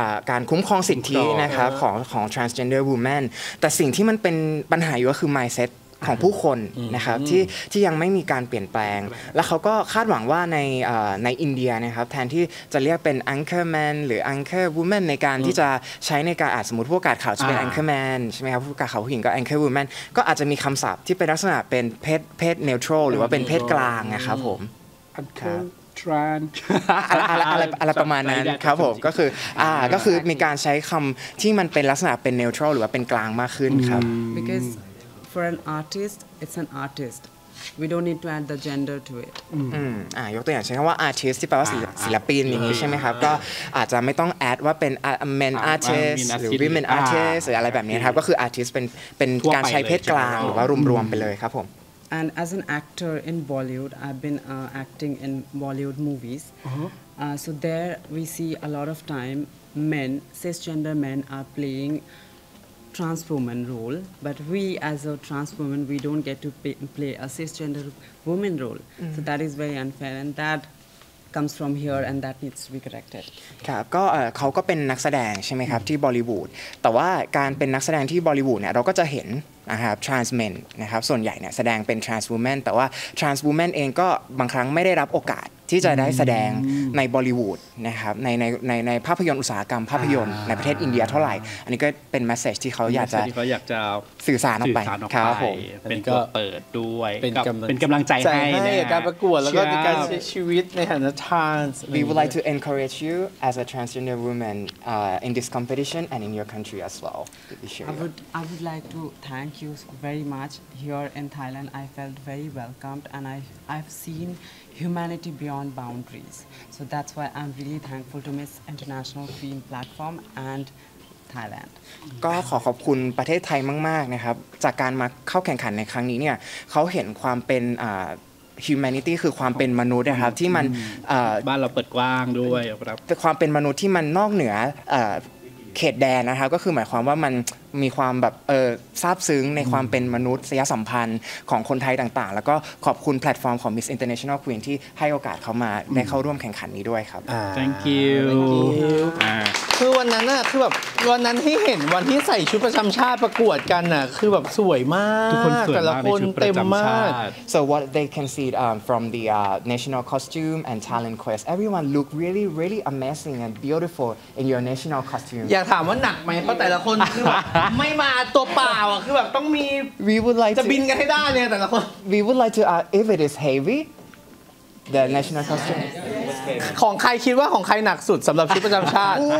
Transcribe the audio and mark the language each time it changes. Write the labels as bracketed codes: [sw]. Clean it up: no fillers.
[th] การคุ้มครองสิทธินะครับของ transgender womanแต่สิ่งที่มันเป็นปัญหาอยู่ก็คือ mindset ของผู้คนนะครับที่ยังไม่มีการเปลี่ยนแปลงแล้วเขาก็คาดหวังว่าในอินเดียนะครับแทนที่จะเรียกเป็น anchor man หรือ anchor woman ในการที่จะใช้ในการสมมติผู้ประกาศข่าวจะเป็น anchor man ใช่ไหมครับผู้ประกาศข่าวผู้หญิงก็ anchor woman ก็อาจจะมีคำศัพท์ที่เป็นลักษณะเป็นเพศ neutral หรือว่าเป็นเพศกลางนะครับผม อะไร ประมาณนั้นครับผมก็คือมีการใช้คำที่มันเป็นลักษณะเป็น neutral หรือว่าเป็นกลางมากขึ้นครับ [en] because for an artist it's an artist we don't need to add the gender to it [th] ยกตัวอย่างเช่นคำว่า artist ที่แปลว่าศิลปินอย่างนี้ใช่ไหมครับก็อาจจะไม่ต้อง add ว่าเป็น men artist หรือ women artist หรืออะไรแบบนี้ครับก็คือ artist เป็นการใช้เพศกลางหรือว่ารวมไปเลยครับผม [en] And as an actor in Bollywood, I've been acting in Bollywood movies. Uh-huh. So there we see a lot of time men, cisgender men, are playing trans woman role, but we as a trans woman, we don't get to play a cisgender woman role. Mm-hmm. So that is very unfair, and that comes from here, and that needs to be corrected. [th] ครับก็เขาก็เป็นนักแสดงใช่ไหมครับที่บอลิวูดแต่ว่าการเป็นนักแสดงที่บอลิวูดเนี่ยเราก็จะเห็นนะครับ trans men นะครับส่วนใหญ่เนี่ยแสดงเป็น trans woman แต่ว่า trans woman เองก็บางครั้งไม่ได้รับโอกาสที่จะได้แสดงในบอลิวูดนะครับในภาพยนตร์อุตสาหกรรมภาพยนตร์ในประเทศอินเดียเท่าไหร่อันนี้ก็เป็น เ มสเซจที่เขาอยากจะ สื่อสารออกไป ครับผม เป็นก็เปิดด้วยเป็นกำลังใจให้ ในการประกวดแล้วก็ในการใช้ชีวิตในฐานะ trans [en] we would like to encourage you as a transgender woman in this competition and in your country as well I would like to thank you very much here in Thailand I felt very welcomed and I've seenHumanity beyond boundaries. So that's why I'm really thankful to Miss International Queen Platform and Thailand. [th] ก็ขอขอบคุณประเทศไทยมากๆนะครับจากการมาเข้าแข่งขันในครั้งนี้เนี่ยเขาเห็นความเป็นhumanity คือความเป็นมนุษย์นะครับที่มัน บ้านเราเปิดกว้างด้วยครับ ความเป็นมนุษย์ที่มันนอกเหนือเขตแดนนะครับก็คือหมายความว่ามันมีความแบบซาบซึ้งในความเป็นมนุษยสัมพันธ์ของคนไทยต่างๆแล้วก็ขอบคุณแพลตฟอร์มของ Miss International Queen ที่ให้โอกาสเขามาได้เข้าร่วมแข่งขันนี้ด้วยครับ [en] thank you [th] คือวันนั้นน่ะคือแบบวันนั้นที่เห็นวันที่ใส่ชุดประจำชาติประกวดกันน่ะคือแบบสวยมาก ทุกคนสวยมากในชุดประจำชาติ [en] so what they can see from the national costume and talent quest everyone look really really amazing and beautiful in your national costume [th] อยากถามว่าหนักไหมเพราะแต่ละคนคือแบบไม่มาตัวเปล่าอ่ะคือแบบต้องมี จะบินกันให้ได้เนี่ยแต่ละคน [en] We would like to ask if it is heavy the national costume [th] ของใครคิดว่าของใครหนักสุดสำหรับชุดประจำชาติ